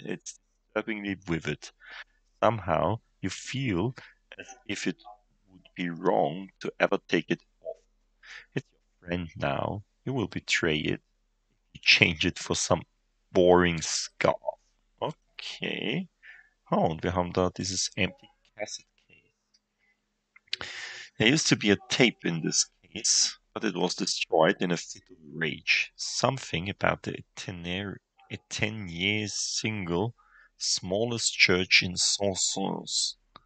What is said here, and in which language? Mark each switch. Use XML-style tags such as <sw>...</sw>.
<en>It's disturbingly vivid. Somehow you feel as if it would be wrong to ever take it off. It's your friend now. You will betray it if you change it for some boring scarf. Okay.</en> <de>Oh, und wir haben da dieses</de> <en>empty cassette case. There used to be a tape in this case, but it was destroyed in a fit of rage. Something about the Etienne single, smallest church in Saint-Saëns.</en>